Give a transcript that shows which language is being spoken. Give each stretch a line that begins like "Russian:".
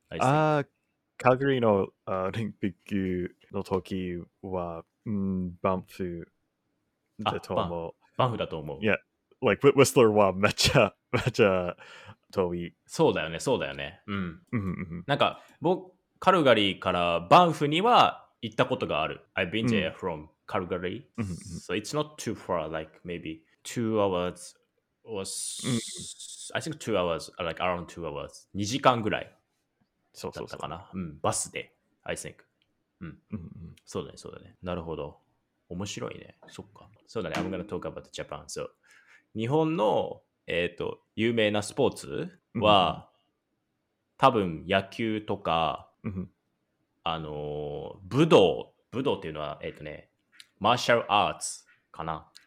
Japanese: ああ、Calgary のオリンピックの時は、バンフだと思う。バンフだと思う。 Yeah, like, Whistler はめっちゃ、めっちゃ遠い。そうだよね、そうだよね。うん。うんうんうん。なんか、僕、カルガリーからバンフには行ったことがある。
English: I've been there from Calgary.、
Japanese: うん、
English: so it's not too far, like maybe 2 hours or、うん、I think 2 hours, like around 2 hours.
Japanese: 2時間ぐらいだったかな。そうそうそううん、バスで、
English: I think.、
Japanese: うんうんうん、そうだね、そうだね。なるほど。面白いね。そっか。そうだね。
English: I'm gonna talk about Japan.
Japanese: So, 日本の、有名なスポーツは、多分野球とか、武道っていうのは、マーシャルアーツかな。